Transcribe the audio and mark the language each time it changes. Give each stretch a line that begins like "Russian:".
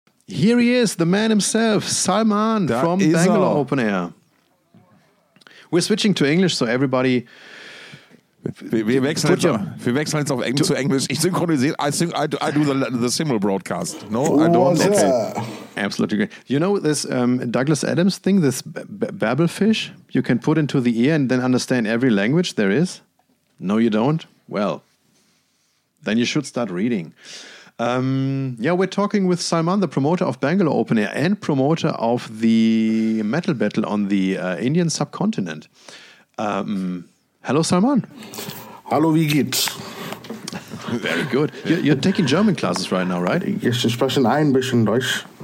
English: Here he is, the man himself, Salman from Bangalore Open Air. We're switching to English, so everybody
German: Wir wechseln jetzt, auf Englisch zu Englisch. Ich synchronisiere.
English: I do the simul broadcast. No, I don't. Okay. Absolutely great. You know this Douglas Adams thing, this babblefish you can put into the ear and then understand every language there is? No, you don't? Well, then you should start reading. We're talking with Salman, the promoter of Bangalore Open Air and promoter of the Metal Battle on the Indian subcontinent. Hello, Salman.
German: Hallo, wie geht's?
English: Very good. You're taking German classes right now, right?
German: Ich spreche ein bisschen Deutsch.